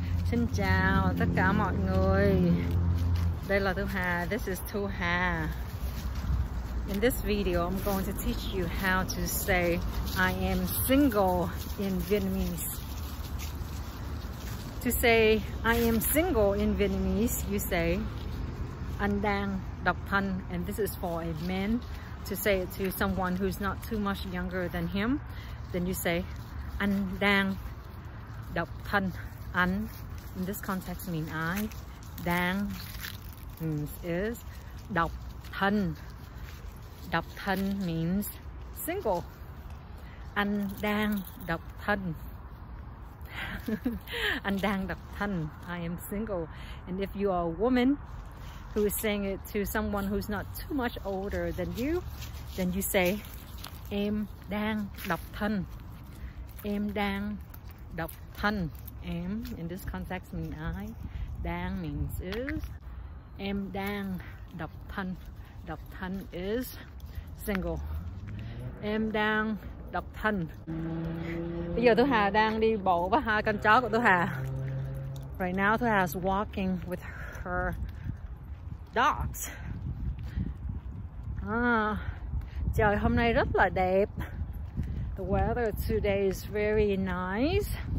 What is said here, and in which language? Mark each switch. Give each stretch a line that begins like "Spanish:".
Vietnamese: Xin chào tất cả mọi người. Đây là Thu Hà.
English: This is Thu Hà. In this video, I'm going to teach you how to say I am single in Vietnamese. To say I am single in Vietnamese, you say
Vietnamese: anh đang độc thân,
English: and this is for a man to say it to someone who's not too much younger than him. Then you say
Vietnamese: anh đang độc thân.
English: Anh, in this context, mean I. Đang means is.
Vietnamese: Độc thân. Độc thân
English: means single.
Vietnamese: Anh đang độc thân. Anh đang độc thân.
English: I am single. And if you are a woman who is saying it to someone who's not too much older than you, then you say
Vietnamese: em đang độc thân. Em đang độc thân.
English: Em, in this context, means I.
Vietnamese: Đang
English: means is.
Vietnamese: Em đang độc thân. Độc thân
English: is single.
Vietnamese: Em đang độc thân. Bây giờ Thu Hà đang đi bộ với hai con chó của Thu Hà.
English: Right now, Thu Hà is walking with her dogs.
Vietnamese: Trời hôm nay rất là đẹp.
English: The weather today is very nice.